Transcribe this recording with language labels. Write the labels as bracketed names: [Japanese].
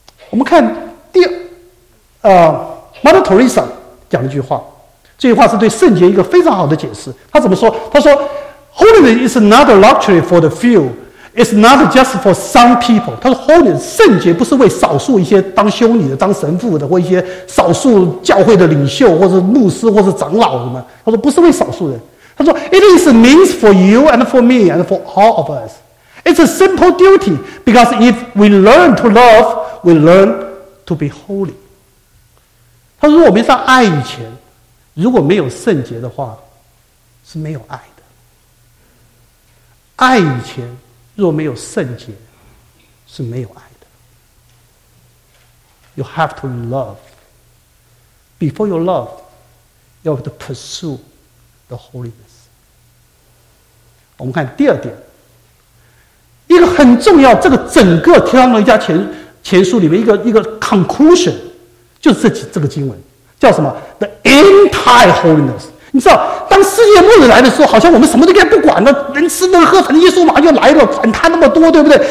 [Chinese] 我们看第Mother Teresa 讲了一句话，这句话是对圣洁一个非常好的解释。他怎么说？他说 ： [English] “Holiness is not a luxury for the few. It's not just for some people. [Chinese] 他说 holiness 圣洁不是为少数一些当修女的、当神父的，或一些少数教会的领袖，或是牧师，或是长老什么。他说不是为少数人。他说 [English] It is means for you and for me and for all of us. It's a simple duty because if we learn to love, we learn to be holy. [Chinese] 他说如果没上爱以前，如果没有圣洁的话，是没有爱的。爱以前。若没有圣洁，是没有爱的。 [English] You have to love. Before you love, you have to pursue the holiness. [Chinese] 我们看第二点，一个很重要，这个整个《提摩太前书》里面一个 conclusion， 就是这个经文叫什么 ？ [English] The anti-holiness。 [Chinese] 你知道，当世界末日来的时候，好像我们什么都该不管了，人吃那个喝，反正耶稣马上就来了，管他那么多，对不对？